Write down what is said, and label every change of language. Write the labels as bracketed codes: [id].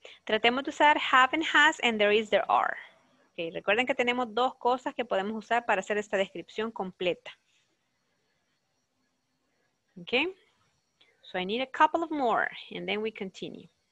[es] Tratemos de usar have and has and there is, there are. Okay. Recuerden que tenemos dos cosas que podemos usar para hacer esta descripción completa. Okay. [en] So I need a couple of more and then we continue.